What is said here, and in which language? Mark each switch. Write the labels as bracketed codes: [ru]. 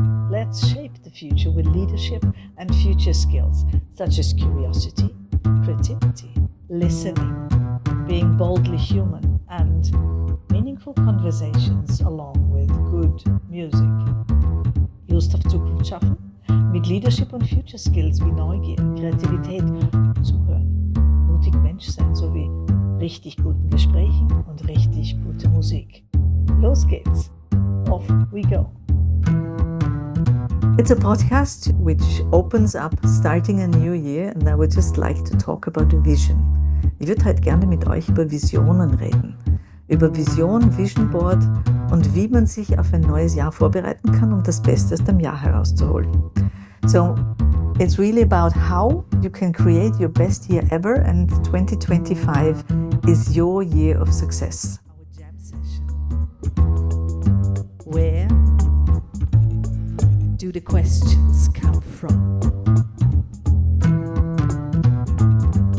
[en] Let's shape the future with leadership and future skills such as curiosity, creativity, listening, being boldly human, and meaningful conversations along with good music. [de] Gustav zu Botschaften, mit Leadership und Future Skills wie Neugier, Kreativität, Zuhören, mutig Mensch sein sowie richtig guten Gesprächen und richtig gute Musik. Los geht's. [en] Off we go. It's a podcast which opens up starting a new year, and I would just like to talk about a vision. [de] Ich würde halt gerne mit euch über Visionen reden. Über Vision, Vision Board und wie man sich auf ein neues Jahr vorbereiten kann, um das Beste aus dem Jahr herauszuholen. [en] So, it's really about how you can create your best year ever, and 2025 is your year of success. Our jam session. Where do the questions come from?